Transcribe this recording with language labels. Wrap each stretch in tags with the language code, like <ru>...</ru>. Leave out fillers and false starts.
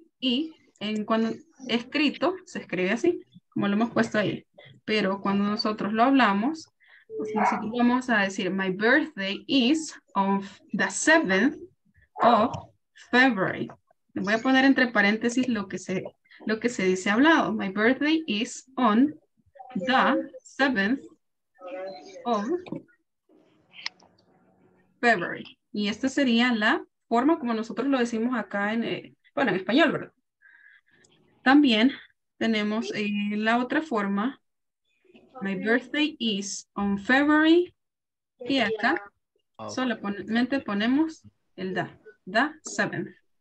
<es>Y en cuando escrito, se escribe así, como lo hemos puesto ahí. Pero cuando nosotros lo hablamos, pues nosotros vamos a decir,</es> <en>my birthday is on the 7th of February.</en> <es>Le voy a poner entre paréntesis lo que se dice hablado.</es> <en>My birthday is on the 7th of February.</en> <es>Y esta sería la forma como nosotros lo decimos acá bueno, en español, ¿verdad? También tenemos la otra forma.</es> <en>My birthday is on February.</en> <es>Y acá solamente ponemos el da.</es> <en>the 7th.</en>